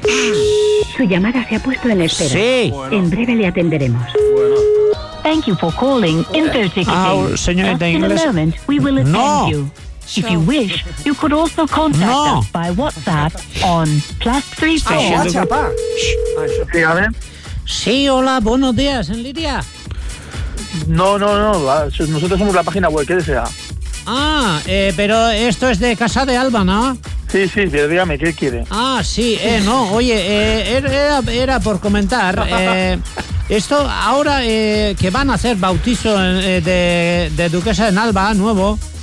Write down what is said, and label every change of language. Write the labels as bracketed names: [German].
[Spanish] Su llamada se ha puesto en espera. Sí. En breve le atenderemos. Bueno. [English] Thank you for calling InterCity. [Spanish] Au, señorita inglesa. [English] After a moment, we will attend you. If you wish, you could also contact us by WhatsApp on +34. Oh, WhatsApp. [Spanish] Sí, a ver. Sí, hola, buenos días, ¿en Lidia? No, nosotros somos la página web, ¿qué desea? Ah, pero esto es de Casa de Alba, ¿no? Sí, pero dígame, ¿qué quiere? Ah, sí, no, oye, era por comentar, esto ahora que van a hacer bautizo de Duquesa de Alba, nuevo...